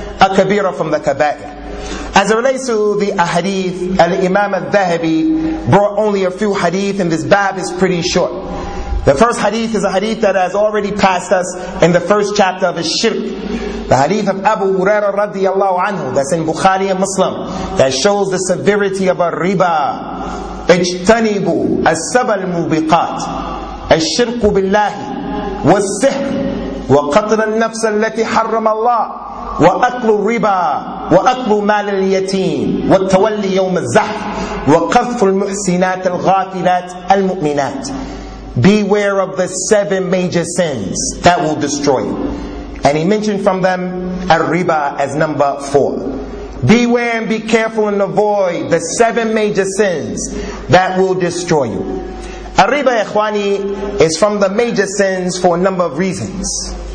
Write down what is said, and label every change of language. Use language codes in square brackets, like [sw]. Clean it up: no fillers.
[en] A kabira from the kaba'ir. As it relates to the ahadith, Al-Imam al-Dhahabi brought only a few hadith and this bab is pretty short. The first hadith is a hadith that has already passed us in the first chapter of al-Shirk. The hadith of Abu Huraira radiallahu anhu, that's in Bukhari and Muslim, that shows the severity of al-riba. [ar] اجتنبوا السبع المبقات الشرك بالله والسحر وقتل النفس التي حرم الله وأكل الربا وأكل مال اليتيم والتولي يوم الزحف وقذف المحسنات الغافلات المؤمنات. [en] Beware of the seven major sins that will destroy you. And he mentioned from them al-riba as number four. Beware and be careful and avoid the seven major sins that will destroy you. Al-riba, ikhwani, is from the major sins for a number of reasons.